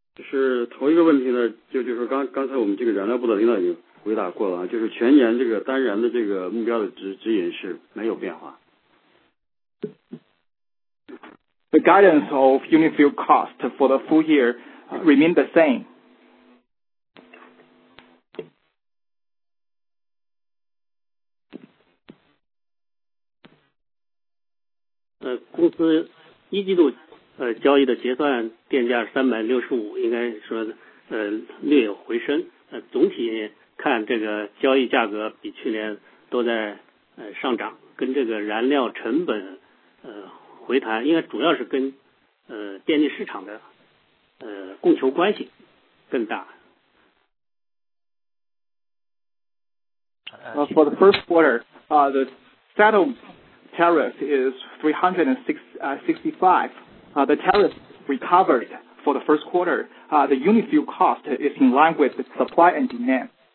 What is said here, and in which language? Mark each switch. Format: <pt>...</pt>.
<zh>是头一个问题呢，就是刚才我们这个燃料部的领导已经回答过了，就是全年这个单燃的这个目标的指引是没有变化。</zh> <en>The guidance of unit fuel cost for the full year remain the same.</en> <zh>公司一季度交易的结算电价365，应该说略有回升。总体看这个交易价格比去年都在上涨，跟这个燃料成本回弹，应该主要是跟电力市场的供求关系更大。</zh> <en>For the first quarter, the settled tariff is 365. The tariff recovered for the first quarter. The unit fuel cost is in line with the supply and demand.</en>